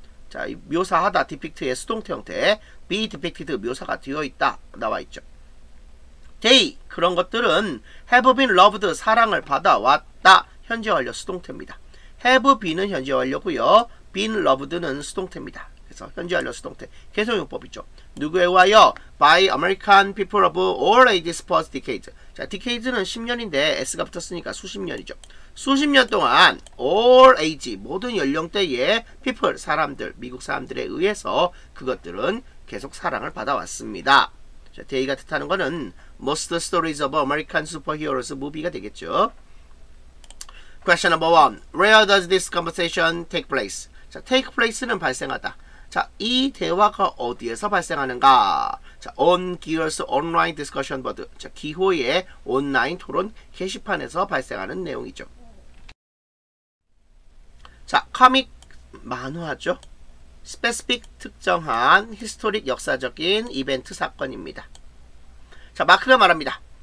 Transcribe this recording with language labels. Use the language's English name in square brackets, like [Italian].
[Korean] 자, 묘사하다, depict의 수동태 형태, be depicted, 묘사가 되어 있다, 나와 있죠. they, 그런 것들은 [English] have been loved, [Korean] 사랑을 받아왔다, 현재 완료 수동태입니다. have been은 현재 완료고요, been loved는 수동태입니다. 그래서 현재 완료 수동태, 계속용법이죠. 누구에 와요? [English] by American people of all ages for decades. [Korean] 자, decades는 10년인데 s가 붙었으니까 수십 년이죠. 수십 년 동안 all age 모든 연령대의 people 사람들 미국 사람들에 의해서 그것들은 계속 사랑을 받아왔습니다. 자, they가 뜻하는 것은 [English] most stories of American superheroes movie [Korean] 가 되겠죠. [English] Question number one, where does this conversation take place? [Korean] 자, take place는 발생하다. 자, 이 대화가 어디에서 발생하는가? 자, [English] on Gears online discussion board. [Korean] 자, 기호의 온라인 토론 게시판에서 발생하는 내용이죠. 자, 코믹 만화죠. specific 특정한 historic 역사적인 이벤트 사건입니다. 자, 마크가 말합니다.